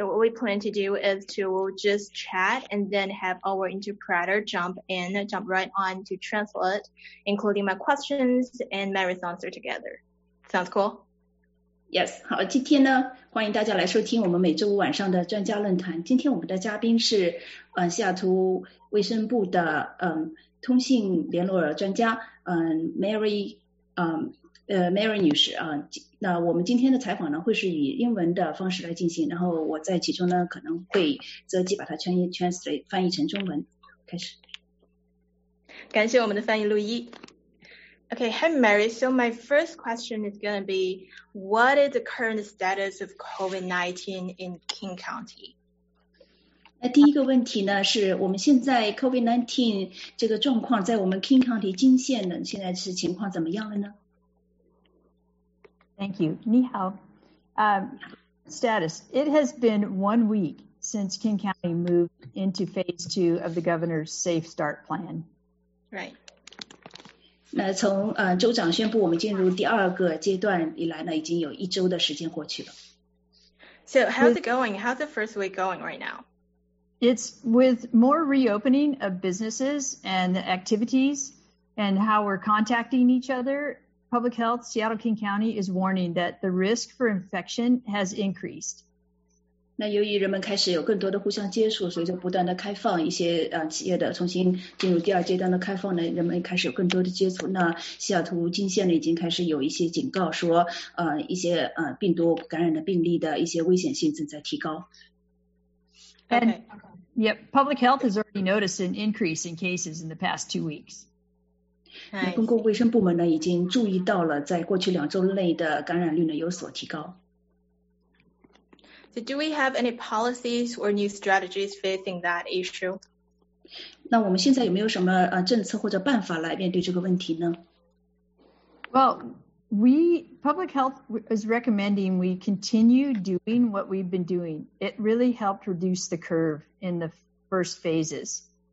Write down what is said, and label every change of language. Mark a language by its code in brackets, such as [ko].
[en] So what we plan to do is to just chat and then have our interpreter jump right on to translate, including my questions and Mary's answer together. Sounds cool? Yes, [zh] 好，今天呢，欢迎大家来收听我们每周五晚上的专家论坛。今天我们的嘉宾是，西雅图卫生部的，通信联络专家，Mary 女士啊。那我们今天的采访呢，会是以英文的方式来进行，然后我在其中呢，可能会择机把它 [en] translate [zh] 翻译成中文。开始，感谢我们的翻译陆一。 [en] Okay, hi Mary. So my first question is going to be, what is the current status of COVID-19 in King County? [zh] 那第一个问题呢，是我们现在 COVID-19 这个状况在我们 King County 金县呢，现在是情况怎么样了呢？ [en] Thank you. [zh] 你好。 [en] Status. It has been 1 week since King County moved into phase 2 of the governor's safe start plan. Right. [zh] 那从州长宣布我们进入第二个阶段以来呢，已经有一周的时间过去了。 [en] So how's it going? How's the first week going right now? It's with more reopening of businesses and activities and how we're contacting each other. Public Health Seattle King County is warning that the risk for infection has increased. [zh] 那由于人们开始有更多的互相接触，随着不断的开放一些企业的重新进入第二阶段的开放呢，人们开始有更多的接触。那西雅图金县呢已经开始有一些警告说，一些病毒感染的病例的一些危险性正在提高。 [en] And yep, public health has already noticed an increase in cases in the past 2 weeks. [zh] 那公共卫生部门呢已经注意到了，在过去两周内的感染率呢有所提高。 [en] So do we have any policies or new strategies facing that issue? [zh] 那我们现在有没有什么政策或者办法来面对这个问题呢？ [en] Well, public health is recommending we continue doing what we've been doing. It really helped reduce the curve in the first phases.